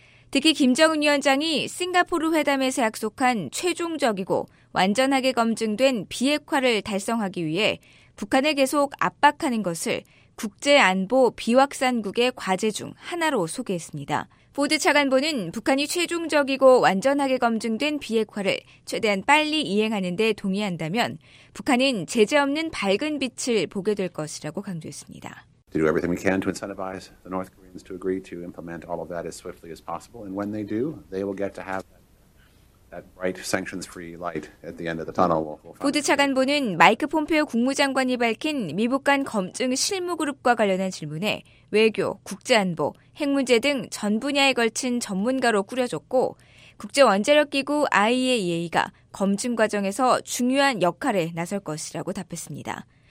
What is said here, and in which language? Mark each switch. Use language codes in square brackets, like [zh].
[ko] 특히 김정은 위원장이 싱가포르 회담에서 약속한 최종적이고 완전하게 검증된 비핵화를 달성하기 위해 북한을 계속 압박하는 것을 국제안보 비확산국의 과제 중 하나로 소개했습니다. 보드 차관보는 북한이 최종적이고 완전하게 검증된 비핵화를 최대한 빨리 이행하는 데 동의한다면 북한은 제재 없는 밝은 빛을 보게 될 것이라고 강조했습니다. [en] To do everything we can to incentivize the North Koreans to agree to implement all of that as swiftly as possible. And when they do, they will get to have that bright sanctions-free light at the end of the tunnel. [ko] 보드 차관보는 마이크 폼페오 국무장관이 밝힌 미북 간 검증 실무그룹과 관련한 질문에 외교, 국제안보, 핵문제 등 전 분야에 걸친 전문가로 꾸려졌고 국제원자력기구 IAEA가 검증 과정에서 중요한 역할에 나설 것이라고 답했습니다.